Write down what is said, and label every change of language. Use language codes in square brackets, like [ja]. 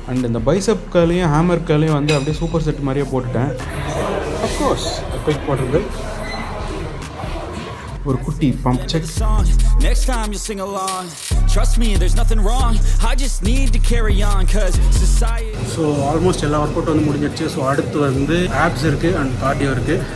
[ta] And இந்த பைசப்களையும் ஹேமர்களையும் வந்து அப்படியே சூப்பர் செட் மாதிரியே போட்டுட்டேன். அஃப்கோர்ஸ் குயிக் போடுறது ஒரு குட்டி pump check. [en] Next time you sing along, trust me, there's nothing wrong. I just need to carry on, cause society. [ta] So almost எல்லா வொர்க்அவுட் வந்து முடிஞ்சிருச்சு. ஸோ அடுத்து வந்து ஆப்ஸ் இருக்கு அண்ட் கார்டியோ இருக்கு.